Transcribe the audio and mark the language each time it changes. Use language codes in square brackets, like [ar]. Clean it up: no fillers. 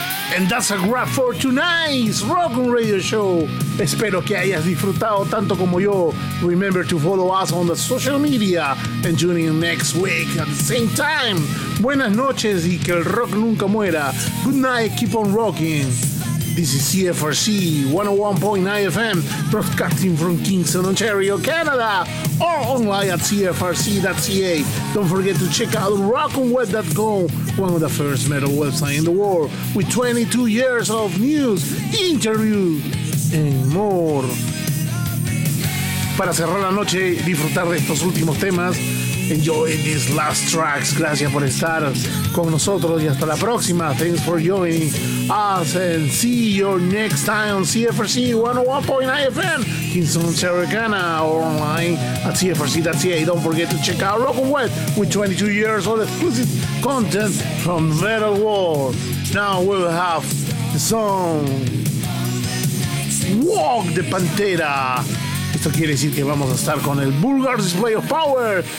[en] And that's a wrap for tonight's Rockun Radio Show. [es] Espero que hayas disfrutado tanto como yo. [en] Remember to follow us on the social media and tune in next week at the same time. [es] Buenas noches y que el rock nunca muera. [en] Good night, keep on rocking. This is CFRC 101.9 FM, broadcasting from Kingston, Ontario, Canada, or online at cfrc.ca. Don't forget to check out rockonweb.com, one of the first metal websites in the world, with 22 years of news, interviews, and more. [es] Para cerrar la noche, disfrutar de estos últimos temas. [en] Enjoy these last tracks. [es] Gracias por estar con nosotros y hasta la próxima. [en] Thanks for joining us and see you next time on CFRC 101.9 FM, Kingston, Ontario, or online at cfrc.ca. Don't forget to check out Rock and Web with 22 years of exclusive content from Metal World. Now we will have the song Walk the Pantera. [es] Esto quiere decir que vamos a estar con el Vulgar Display of Power.